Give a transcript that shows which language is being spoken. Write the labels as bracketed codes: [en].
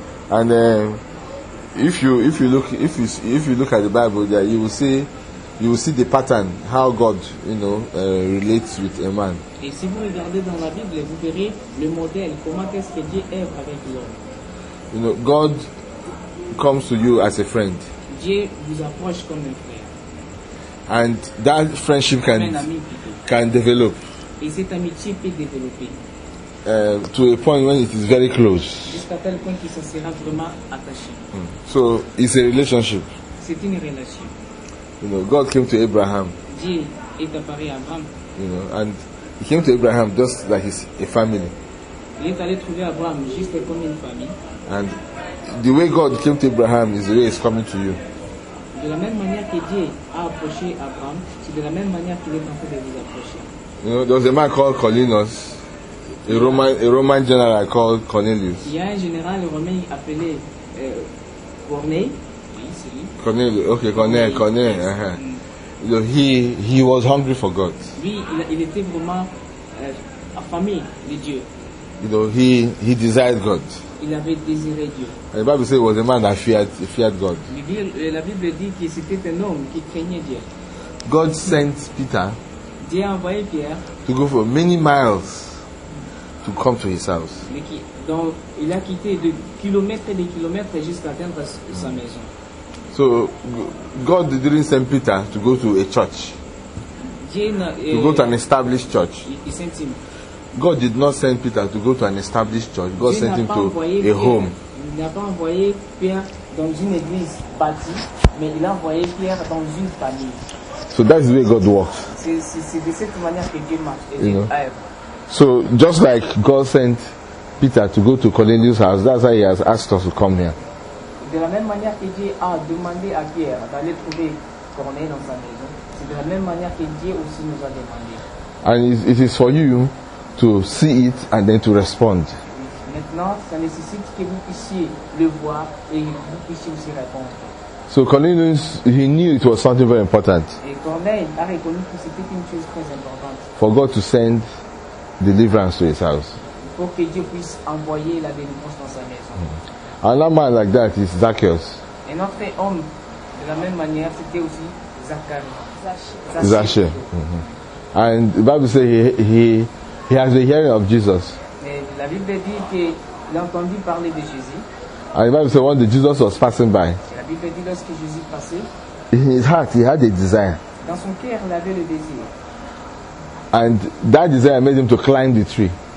[en] And if you look at the Bible, there you will see the pattern how God, you know, relates with a man. [fr] Et si vous regardez dans la Bible, vous verrez le modèle comment est-ce que Dieu est avec l'homme. [en] You know, God comes to you as a friend. [fr] Dieu vous approche comme un frère. [en] And that friendship can develop. [fr] Et cette amitié peut développer. [en] To a point when it is very close. [fr] Jusqu'à tel point qu'il s'en sera vraiment attaché. [en] So it's a relationship. [fr] C'est une relation. [en] You know, God came to Abraham. [fr] Dieu est apparu à Abraham. [en] You know, and he came to Abraham just like he's a family. [fr] Il est allé trouver Abraham juste comme une famille. [en] And the way God came to Abraham is the way he's coming to you. [fr] De la même manière que Dieu a approché Abraham, c'est de la même manière qu'il est en train de vous approcher. [en] You know, there was a man called Colinus. A Roman general called Cornelius. [fr] Il y a un général romain appelé Corneille. [en] Cornelius. Okay, Cornelius. Yes. Uh-huh. Mm. So he was hungry for God. [fr] Lui, il était vraiment affamé de Dieu. [en] You know, he desired God. [fr] Il avait désiré Dieu. [en] And the Bible says he was a man that feared God. [fr] La Bible dit que c'était un homme qui craignait Dieu. [en] God sent Peter. [fr] Dieu a envoyé Pierre. [en] To go for many miles. To come to his house. [fr] Donc, il a quitté de kilomètres et de kilomètres jusqu'à atteindre sa maison. [en] So, God didn't send Peter to go to a church. To go to an established church. God did not send Peter to go to an established church. God sent him to a home. [fr] Il n'a pas envoyé Pierre dans une église bâtie, mais il a envoyé Pierre dans une famille. [en] So that's the way God works. [fr] C'est de cette manière que Dieu marche. [en] You know. So just like God sent Peter to go to Cornelius' house, that's why he has asked us to come here. [fr] De la même manière que Dieu a demandé à Pierre d'aller trouver Cornelius dans sa maison, c'est de la même manière que Dieu aussi nous a demandé. [en] And it is for you to see it and then to respond. [fr] Maintenant, ça nécessite que vous puissiez le voir et vous puissiez aussi répondre. [en] So Cornelius, he knew it was something very important. [fr] Et Cornelius a reconnu que c'était une chose très importante. [en] For God to send deliverance to his house. [fr] Pour que Dieu puisse envoyer la délivrance dans sa maison. [en] Another man like that is Zacchaeus. [fr] Un autre homme de la même manière, c'était aussi Zacchaeus. Zacchaeus. Mm-hmm. [en] And the Bible says he has the hearing of Jesus. [fr] Et la Bible dit qu'il a entendu parler de Jésus. [en] And the Bible says when Jesus was passing by. [fr] Et la Bible dit lorsque Jésus passait. [en] In his heart, he had a desire. [fr] Dans son cœur, il avait le désir. [en] And that desire made him to climb the tree.